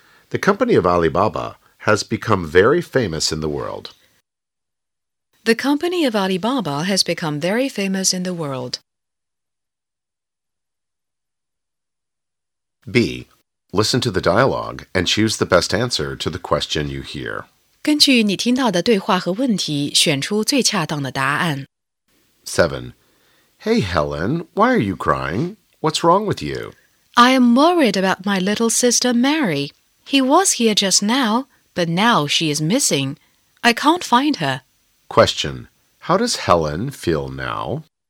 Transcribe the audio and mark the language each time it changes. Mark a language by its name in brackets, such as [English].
[English] The company of Alibaba has become very famous in the world. The company of Alibaba has become very famous in the world. B. Listen to the dialogue and choose the best answer to the question you hear. [Chinese] 根据你听到的对话和问题，选出最恰当的答案。 [English] 7. Hey, Helen, why are you crying? What's wrong with you? I am worried about my little sister, Mary. He was here just now, but now she is missing. I can't find her. Question. How does Helen feel now?